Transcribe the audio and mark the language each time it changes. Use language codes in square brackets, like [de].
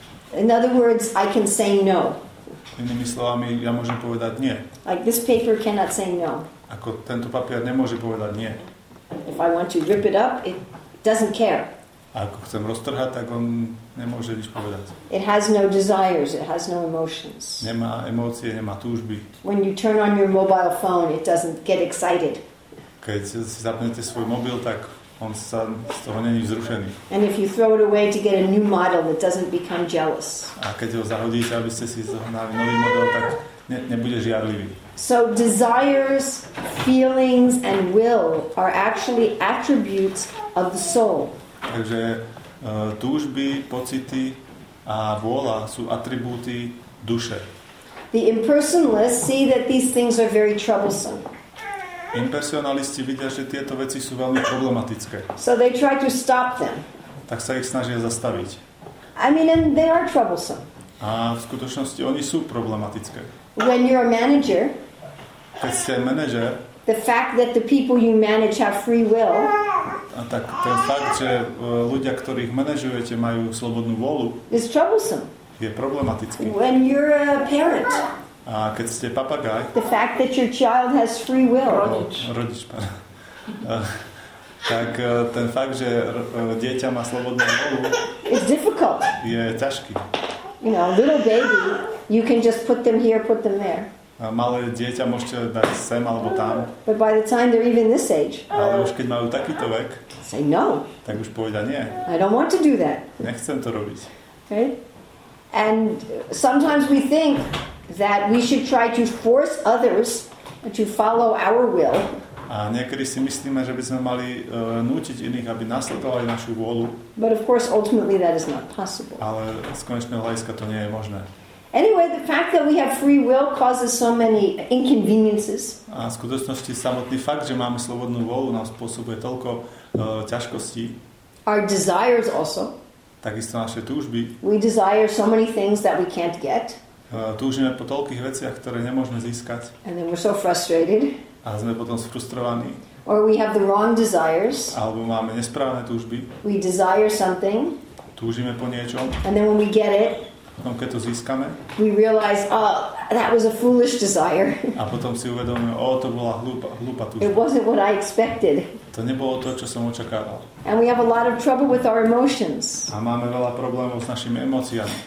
[en] In other words, I can say no. [sk] Inými slovami, ja môžem povedať nie. [en] Like this paper cannot say no. [sk] Ako tento papier nemôže povedať nie. [en] If I want to rip it up, it doesn't care. [sk] Ako chcem roztrhať, tak on nemôže nič povedať. [en] It has no desires, it has no emotions. [sk] Nemá emócie, nemá túžby. [en] When you turn on your mobile phone, it doesn't get excited. [sk] Keď si zapnete svoj mobil, tak on sa z toho není vzrušený. [en] And if you throw it away to get a new model, it doesn't become jealous. [sk] A keď ho zahodíte, aby ste si zohnali nový model, tak nebude žiarlivý. [en] So desires, feelings and will are actually attributes of the soul. [sk] Takže túžby, pocity a vôľa sú atribúty duše. [en] The impersonalists see that these things are very troublesome. [sk] Impersonalisti vidia, že tieto veci sú veľmi problematické. [en] So they try to stop them. [sk] Tak sa ich snažia zastaviť. [en] I mean, and they are troublesome. [sk] A v skutočnosti oni sú problematické. [en] When you're a manager, [sk] keď ste manager, [en] the fact that the people you manage have free will, [sk] a tak ten fakt, že ľudia, ktorých manažujete, majú slobodnú vôľu, [en] is troublesome. [sk] Je problematický. [en] When you're a parent, [sk] a keď ste papagaj, [en] the fact that your child has free will, [sk] rodič, pardon, tak ten fakt, že dieťa má slobodnú vôľu, [en] is difficult. [sk] Je ťažký. [en] You know, little baby, you can just put them here, put them there. [sk] A malé dieťa môžete dať sem alebo tam. [en] But by the time they're even this age, [sk] ale už keď majú takýto vek, [en] say no. [sk] Tak už povedia nie. [en] I don't want to do that. [sk] Nechcem to robiť. [en] Okay? And sometimes we think that we should try to force others to follow our will. [sk] A niekedy si myslíme, že by sme mali nútiť iných, aby nasledovali našu vôľu. [en] But of course, ultimately that is not possible. [sk] Ale z konečného hľadiska to nie je možné. [en] Anyway, the fact that we have free will causes so many inconveniences. [sk] A v skutočnosti samotný fakt, že máme slobodnú vôľu, nám spôsobuje toľko ťažkostí. [en] Our desires also. [sk] Takisto naše túžby. [en] We desire so many things that we can't get. [sk] Túžime po toľkých veciach, ktoré nemôžeme získať. [en] And then we're so frustrated. [sk] A sme potom sfrustrovaní. [en] Or we have the wrong desires. [sk] Alebo máme nesprávne túžby. [en] We desire something. [sk] Túžime po niečom. [en] And then when we get it, [sk] potom keď to získame, [en] we realize, oh, that was a foolish desire. [sk] A potom si uvedomíme, oh, to bola hlúpa túžba. [en] It wasn't what I expected. [sk] To nebolo to, čo som očakával. [en] And we have a lot of trouble with our emotions. [sk] A máme veľa problémov s našimi emóciami.